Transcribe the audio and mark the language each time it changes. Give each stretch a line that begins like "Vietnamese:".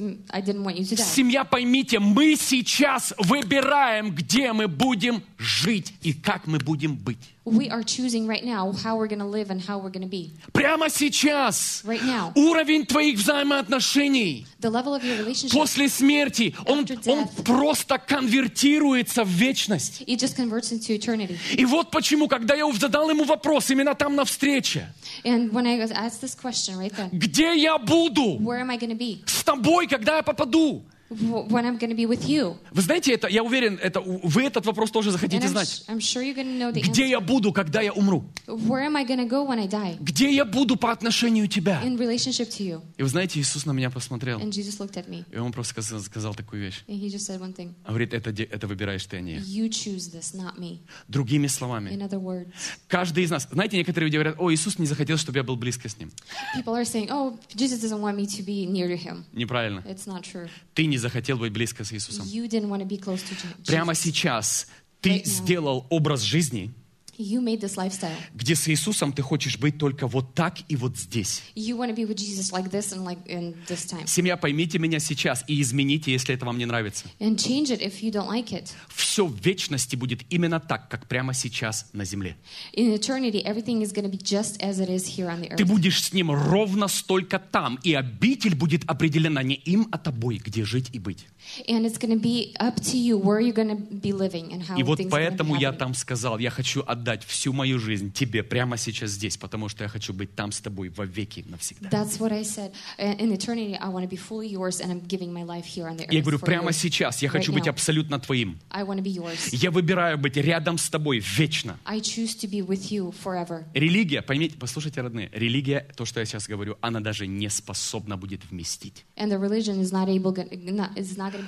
Russian: Семья, поймите, мы сейчас выбираем, где мы будем жить и как мы будем быть.
English: We are choosing right now how we're going to live and how we're going to be.
Russian: Прямо сейчас.
English: Right now.
Russian: Уровень твоих взаимоотношений.
English: The level of your relationship.
Russian: После смерти он просто конвертируется в вечность.
English: It just converts into eternity.
Russian: И вот почему, когда я задал ему вопрос именно там на встрече.
English: And when I asked this question right then.
Russian: Где я буду?
English: Where am I going to be?
Russian: С тобой, когда я попаду?
English: When I'm going to be with you.
Russian: Вы знаете, это, я уверен, это, вы этот вопрос тоже захотите знать.
English: I'm sure you're gonna know the
Russian: где
English: answer.
Russian: Я буду, когда я умру?
English: Where am I gonna go when I die?
Russian: Где я буду по отношению к тебе?
English: In relationship to you.
Russian: И вы знаете, Иисус на меня посмотрел.
English: And Jesus looked at me.
Russian: И Он просто сказал такую вещь.
English: And he just said one thing.
Russian: Он говорит, это выбираешь ты, а не я.
English: You choose this, not me.
Russian: Другими словами.
English: In other words.
Russian: Каждый из нас. Знаете, некоторые люди говорят, о, Иисус не захотел, чтобы я был близко с Ним.
English: People are saying, oh, Jesus doesn't want me to be near to Him.
Russian: Неправильно.
English: It's not true.
Russian: Ты не захотел быть близко с Иисусом.
English: You didn't want to be close to Jesus.
Russian: Прямо сейчас ты
English: right
Russian: сделал
English: now.
Russian: Образ жизни,
English: you made this lifestyle.
Russian: Где с Иисусом ты хочешь быть только вот так и вот здесь.
English: You want to be with Jesus like this and like in this time.
Russian: Семья, поймите меня сейчас и измените, если это вам не нравится.
English: And change it if you don't like it.
Russian: Все в вечности будет именно так, как прямо сейчас на земле.
English: In eternity, everything is going to be just as it is here on the earth.
Russian: Ты будешь с ним ровно столько там, и обитель будет определена не им, а тобой, где жить и быть.
English: And it's going to be up to you where you're going to be living and how.
Russian: И вот поэтому я там сказал, я хочу отдать всю мою жизнь тебе прямо сейчас здесь, потому что я хочу быть там с тобой вовеки навсегда.
English: That's what I said. In eternity, I want to be fully yours, and I'm giving my life here on the earth.
Russian: Я говорю, прямо сейчас я хочу быть абсолютно твоим.
English: I want to be yours.
Russian: Я выбираю быть рядом с тобой вечно.
English: I choose to be with you forever.
Russian: Религия, поймите, послушайте, родные, религия, то, что я сейчас говорю, она даже не способна будет вместить.
English: And the religion is not going to be able to understand.